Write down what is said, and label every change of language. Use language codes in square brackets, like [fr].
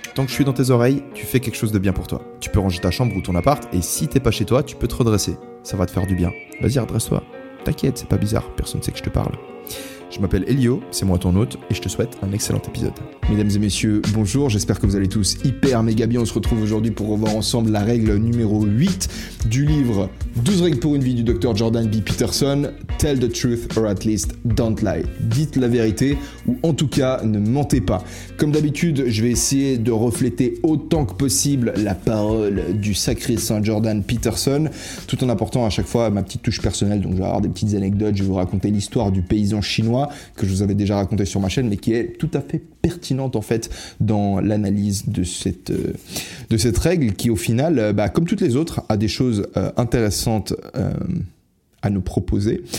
[fr] Tant que je suis dans tes oreilles, tu fais quelque chose de bien pour toi. Tu peux ranger ta chambre ou ton appart, et si t'es pas chez toi, tu peux te redresser. Ça va te faire du bien. Vas-y, redresse-toi. T'inquiète, c'est pas bizarre, personne sait que je te parle. Je m'appelle Elio, c'est moi ton hôte, et je te souhaite un excellent épisode. Mesdames et messieurs, bonjour, j'espère que vous allez tous hyper méga bien. On se retrouve aujourd'hui pour revoir ensemble la règle numéro 8 du livre 12 règles pour une vie du Dr. Jordan B. Peterson. [en] Tell the truth or at least don't lie. [fr] Dites la vérité ou en tout cas ne mentez pas. Comme d'habitude, je vais essayer de refléter autant que possible la parole du sacré Saint Jordan Peterson, tout en apportant à chaque fois ma petite touche personnelle. Donc je vais avoir des petites anecdotes, je vais vous raconter l'histoire du paysan chinois que je vous avais déjà raconté sur ma chaîne, mais qui est tout à fait pertinente en fait dans l'analyse de cette règle qui au final, bah, comme toutes les autres, a des choses intéressantes à nous proposer.